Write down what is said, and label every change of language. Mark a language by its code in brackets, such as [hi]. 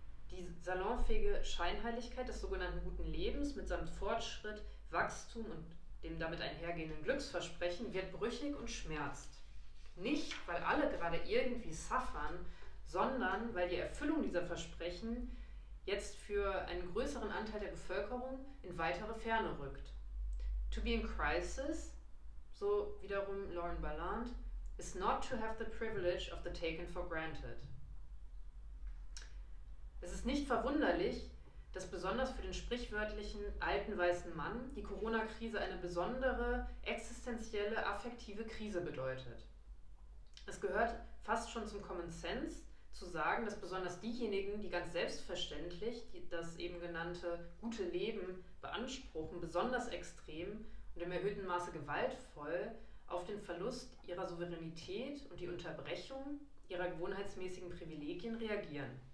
[de] Die salonfähige Scheinheiligkeit des sogenannten guten Lebens mitsamt Fortschritt, Wachstum und dem damit einhergehenden Glücksversprechen wird brüchig und schmerzt. Nicht, weil alle gerade irgendwie suffern, sondern weil die Erfüllung dieser Versprechen jetzt für einen größeren Anteil der Bevölkerung in weitere Ferne rückt. [en] To be in crisis, [de] so wiederum [en] Lauren Ballant, is not to have the privilege of the taken for granted. [de] Es ist nicht verwunderlich, dass besonders für den sprichwörtlichen alten weißen Mann die Corona-Krise eine besondere existenzielle affektive Krise bedeutet. Es gehört fast schon zum Common Sense zu sagen, dass besonders diejenigen, die ganz selbstverständlich das eben genannte gute Leben beanspruchen, besonders extrem und im erhöhten Maße gewaltvoll auf den Verlust ihrer Souveränität und die Unterbrechung ihrer gewohnheitsmäßigen Privilegien reagieren.